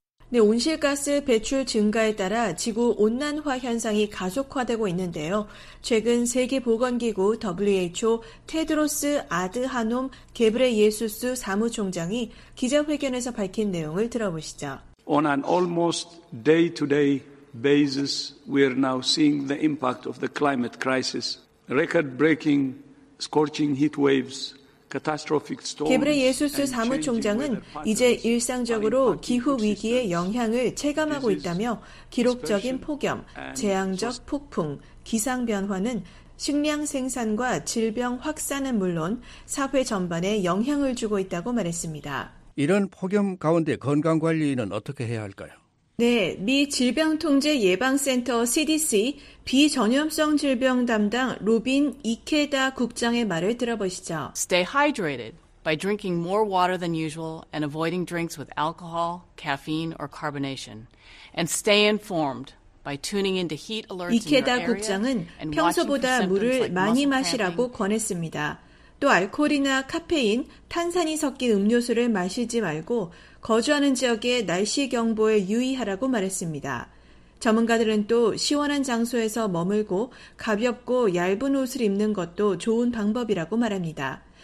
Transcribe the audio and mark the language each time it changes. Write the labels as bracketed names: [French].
[Korean] 네, 온실가스 배출 증가에 따라 지구 온난화 현상이 가속화되고 있는데요. 최근 세계보건기구 WHO 테드로스 아드하놈 게브레예수스 사무총장이 기자회견에서 밝힌 내용을 들어보시죠. [English] On an almost day-to-day basis, we are now seeing the impact of the climate crisis. Record-breaking, scorching heat waves, catastrophic storms. [Korean] 게브레예수스 사무총장은 이제 일상적으로 기후 위기의 영향을 체감하고 있다며 기록적인 폭염, 재앙적 폭풍, 기상 변화는 식량 생산과 질병 확산은 물론 사회 전반에 영향을 주고 있다고 말했습니다. 이런 폭염 가운데 건강관리는 어떻게 해야 할까요? 네, 미 질병통제예방센터 CDC 비전염성 질병 담당 로빈 이케다 국장의 말을 들어보시죠. [English] Stay hydrated. by drinking more water than usual and avoiding drinks with alcohol, caffeine, or carbonation. And stay informed by tuning into heat alerts in your area. [Korean] 이케다 국장은 평소보다 물을 많이 마시라고 권했습니다. 또 알코올이나 카페인, 탄산이 섞인 음료수를 마시지 말고 거주하는 지역의 날씨 경보에 유의하라고 말했습니다. 전문가들은 또 시원한 장소에서 머물고 가볍고 얇은 옷을 입는 것도 좋은 방법이라고 말합니다.